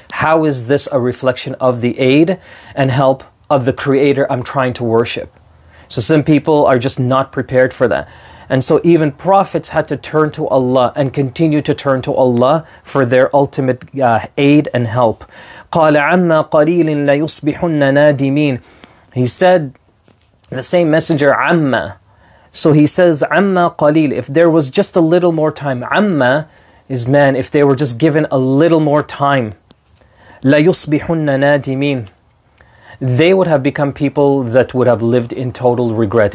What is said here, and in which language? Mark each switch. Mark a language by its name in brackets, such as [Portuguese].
[English] How is this a reflection of the aid and help of the Creator I'm trying to worship? So some people are just not prepared for that. And so even prophets had to turn to Allah and continue to turn to Allah for their ultimate aid and help. [Arabic] قَالَ عَمَّا قَلِيلٍ لَيُصْبِحُنَّ نَادِمِينَ [English] He said, the same messenger, عَمَّا. So he says, [Arabic] عَمَّا قَلِيلٍ [English] If there was just a little more time. عَمَّا is man, if they were just given a little more time. [Arabic] لَيُصْبِحُنَّ نَادِمِينَ [English] They would have become people that would have lived in total regret.